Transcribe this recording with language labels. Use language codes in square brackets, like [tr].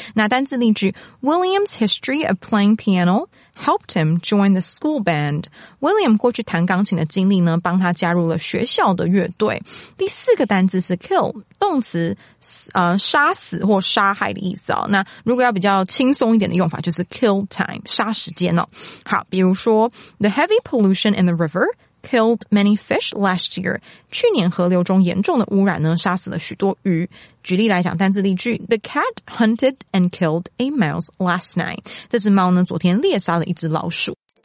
[zh] 那单字例句 [en] ，William's history of playing piano helped him join the school band。 [zh] William 过去弹钢琴的经历呢，帮他加入了学校的乐队。第四个单字是 kill， 动词，杀死或杀害的意思哦。那如果要比较轻松一点的用法，就是 kill time， 杀时间哦。好，比如说 [en] ，the heavy pollution in the river killed many fish last year。 [zh] 去年河流中严重的污染呢，杀死了许多鱼。举例来讲，单字例句 [en] ：The cat hunted and killed a mouse last night。 [zh] 这只猫呢，昨天猎杀了一只老鼠。